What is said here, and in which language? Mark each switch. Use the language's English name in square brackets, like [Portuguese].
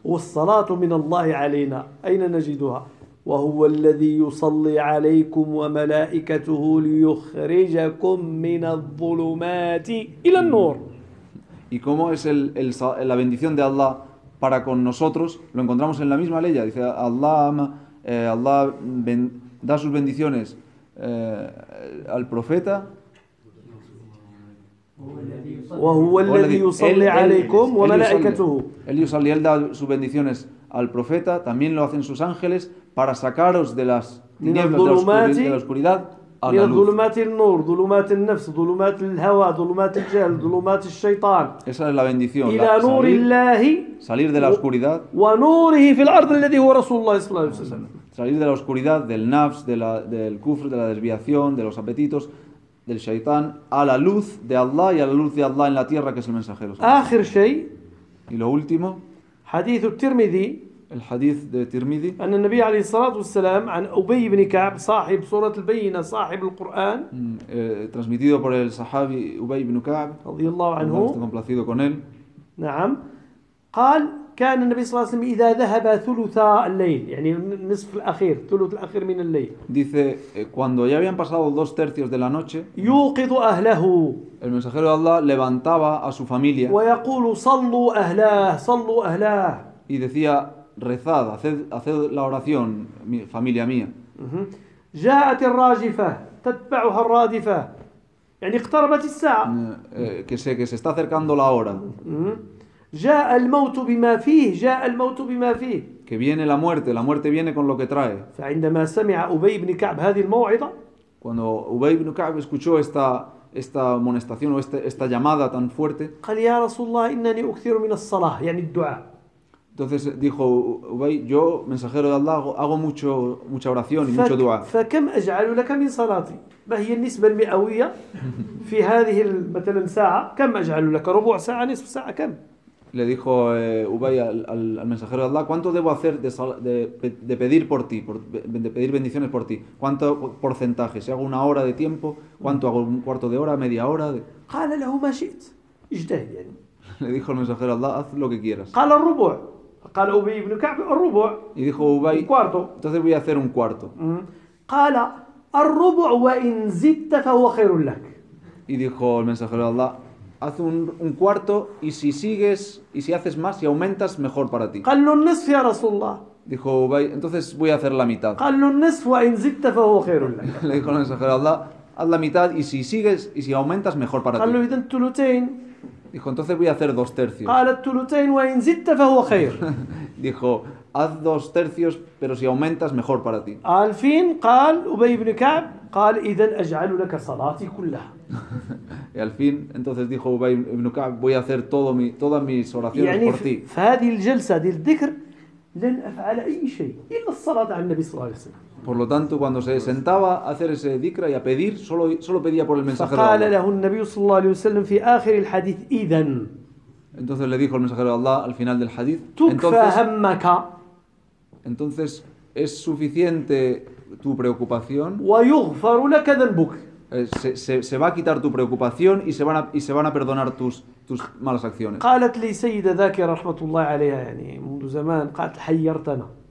[Arabic] وَالصَّلَاةُ مِنَ اللَّهِ عَلَيْنَا أَيْنَ نَجِدُهَا وَهُوَ الَّذِي يُصَلِّي عَلَيْكُمْ وَمَلَائِكَتُهُ لِيُخْرِجَكُمْ مِنَ الظُّلُمَاتِ إِلَى النُّورِ. [Spanish] Y cómo es la bendición de Allah para con nosotros, lo encontramos en la misma ley. Dice, Allah da sus bendiciones al profeta [Arabic] وهو الذي يصلي عليكم وملائكته. [Spanish] Él يصلي, él da sus bendiciones al profeta, también lo hacen sus ángeles para sacaros de las tinieblas, de la oscuridad a la luz. [Arabic] ظلمات النور, ظلمات النفس, ظلمات الهوى, ظلمات الجهل, ظلمات الشيطان. [Spanish] Esa es la bendición. [Arabic] إلى نور الله. [Spanish] Salir de la oscuridad. [Arabic] ونوره في الأرض الذي هو رسول الله صلى الله عليه وسلم. [Spanish] Salir de la oscuridad, del nafs, de la, del kufr, de la desviación, de los apetitos, del shaitán, a la luz de Allah y a la luz de Allah en la tierra, que es el mensajero. [Arabic] آخر شيء. [Spanish] Y lo último. [Arabic] حديث الترمذي. [Spanish] El hadith de Tirmidhi. [Arabic] أن النبي عليه الصلاة والسلام عن أبي بن كعب صاحب سورة البينة صاحب القرآن. [Spanish] Transmitido por el sahabi Ubay ibn Ka'b. [Arabic] رضي الله عنه. [Spanish] Estoy complacido con él. [Arabic] نعم. قال كان النبي صلى الله عليه وسلم إذا ذهب ثلث الليل, يعني النصف الأخير, ثلث الأخير من الليل. [Spanish] Dice cuando ya habían pasado dos tercios de la noche. [Arabic] يوقظ أهله. [Spanish] El mensajero de Allah levantaba a su familia. [Arabic] ويقول صلوا أهله, صلوا أهله. [Spanish] Y decía, rezad, haced la oración, mi familia mía. [Arabic] جاءت الراجفة تتبعها الرادفة. يعني اقتربت الساعة. [Spanish] Que se está acercando la hora. [Arabic] جاء الموت بما فيه, جاء الموت بما فيه. [Spanish] Que viene la muerte viene con lo que trae. [Arabic] فعندما سمع أبي بن كعب هذه الموعظة. [Spanish] Cuando Ubay ibn Ka'b escuchó esta amonestación o esta llamada tan fuerte. [Arabic] قال يا رسول الله إنني أكثر من الصلاة, يعني الدعاء. [Spanish] Entonces dijo Ubay, yo mensajero de Allah hago mucha oración y mucho dua. [Arabic] فكم أجعل لك من صلاتي؟ ما هي النسبة المئوية في هذه مثلا ساعة؟ كم أجعل لك؟ ربع ساعة, نصف ساعة, كم؟ [Spanish] Le dijo Ubay al mensajero de Allah, ¿cuánto debo hacer de pedir por ti, de pedir bendiciones por ti? ¿Cuánto porcentaje? Si hago una hora de tiempo, ¿cuánto hago? ¿Un cuarto de hora, media hora? [Arabic] قال له ما شئت, اجتهد يعني. [Spanish] Le dijo el mensajero de Allah, haz lo que quieras. [Arabic] قال الربع. قال أبي بن كعب الربع. [Spanish] Y dijo Ubay, un cuarto. Entonces voy a hacer un cuarto. [Arabic] قال الربع وإن زدت فهو خير لك. [Spanish] Y dijo el mensajero de Allah, haz un cuarto y si sigues y si haces más y aumentas, mejor para ti. [Arabic] قال له النصف يا رسول الله. [Spanish] Dijo Ubay, entonces voy a hacer la mitad. [Arabic] قال له النصف وإن زدت فهو خير لك. [Spanish] Le dijo el mensajero de Allah, haz la mitad y si sigues y si aumentas, mejor para ti. [Arabic] قال له إذن ثلثين. [Spanish] Dijo, entonces voy a hacer dos tercios. [Arabic] قال الثلثين وإن زدت فهو خير. [Spanish] Dijo, haz dos tercios, pero si aumentas, mejor para ti. Al fin, [Arabic] قال Ubay ibn Ka'b, قال إذن أجعل لك صلاتي كلها. [Spanish] Y al fin, entonces dijo Ubay ibn Ka'b, voy a hacer todas mis oraciones [Arabic] يعني [Spanish] por ti. [Arabic] فهذه الجلسة, هذه الذكر, لن أفعل أي شيء إلا الصلاة على النبي صلى الله عليه وسلم. [Spanish] Por lo tanto, cuando se sentaba a hacer ese dhikra y a pedir, solo pedía por el mensajero de Allah. [Arabic] فقال له النبي صلى الله عليه وسلم في آخر الحديث إذن. [Spanish] Entonces le dijo el mensajero de Allah al final del hadith. [Arabic] تكفى همك. [Spanish] Entonces es suficiente tu preocupación. [Arabic] ويغفر لك ذنبك. [Spanish] Se va a quitar tu preocupación y se van a perdonar tus malas acciones. [Arabic] قالت لي سيدة ذاكرة رحمة الله عليها يعني منذ زمان قالت حيرتنا.